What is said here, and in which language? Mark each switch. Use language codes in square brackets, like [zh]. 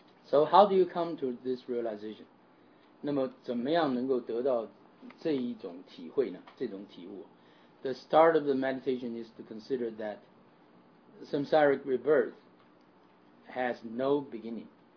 [en] So how do you come to this realization? [zh] 那么怎么样能够得到这一种体会呢？这种体悟。 [en] The start of the meditation is to consider that samsaric rebirth has no beginning.